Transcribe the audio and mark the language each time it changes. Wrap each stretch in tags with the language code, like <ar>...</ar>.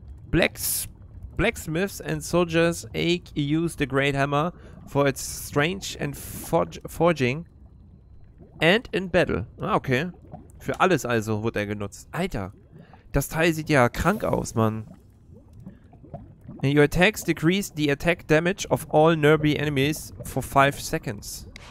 <en>Blacksmiths and soldiers use the Great Hammer for its strength and forging and in battle.</en> <de>Ah, okay. Für alles also wurde er genutzt. Alter, das Teil sieht ja krank aus, Mann.</de> <en>Your attacks decrease the attack damage of all nearby enemies for 5 seconds.</en>